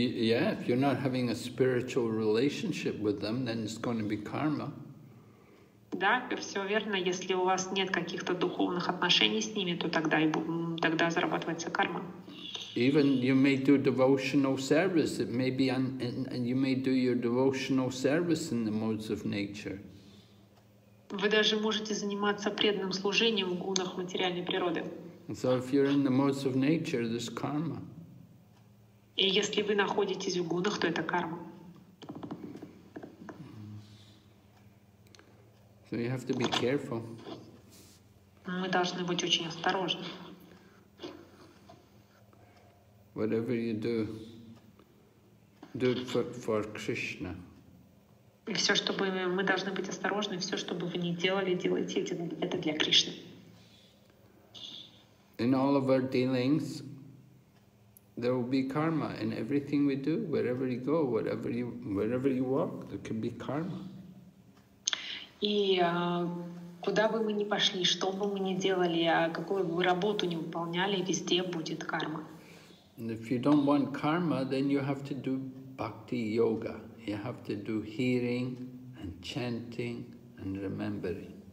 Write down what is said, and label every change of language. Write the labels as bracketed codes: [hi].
[en] Yeah, if you're not having a spiritual relationship with them, then it's going to be karma. [ru] Да, все верно. Если у вас нет каких-то духовных отношений с ними, то тогда зарабатывается карма. [en] Even you may do devotional service, it may be, and you may do your devotional service in the modes of nature. [ru] Вы даже можете заниматься преданным служением в гунах материальной природы. [en] So if you're in the modes of nature, there's karma. [ru] И если вы находитесь в гунах, то это карма. [en] So you have to be careful. [ru] Мы должны быть очень осторожны. [en] Whatever you do, do it for Krishna. [ru] И все, чтобы мы должны быть осторожны, все, чтобы вы не делали, делайте это для Кришны. [en] In all of our dealings, there will be karma in everything we do, wherever you go, wherever you walk, there can be karma. [ru] И куда бы мы ни пошли, что бы мы ни делали, какую бы работу ни выполняли, везде будет карма. [en] And if you don't want karma, then you have to do bhakti yoga. You have to do hearing and chanting and remembering.